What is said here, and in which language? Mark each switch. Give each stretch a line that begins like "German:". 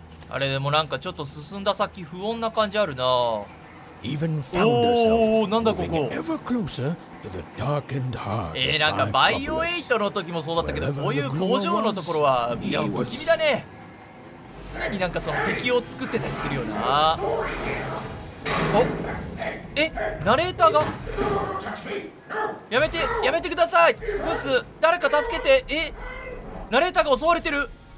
Japanese: あれでもなんかちょっと進んだ先不穏な感じあるな。
English: Even found herself ever closer to the darkened heart.
Japanese: なんかバイオエイトの時もそうだったけど、こういう工場のところはいや不気味だね。常になんかその敵を作ってたりするよな。お、ナレーターが。やめてください。グース、誰か助けて。ナレーターが襲われてる。